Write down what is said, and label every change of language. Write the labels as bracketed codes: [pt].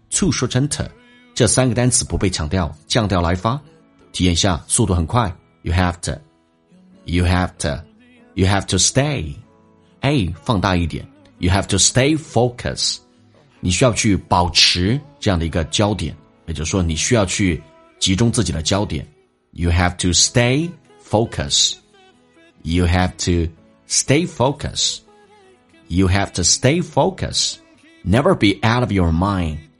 [zh] to 说成 t， 这三个单词不被强调，降调来发，体验一下，速度很快。 [en] You have to, you have to, you have to stay. A [zh] 放大一点。 [en] You have to stay focused. [zh] 你需要去保持这样的一个焦点，也就是说，你需要去集中自己的焦点。 [en] You have to stay focused. You have to stay focused. You have to stay focused. Never be out of your mind.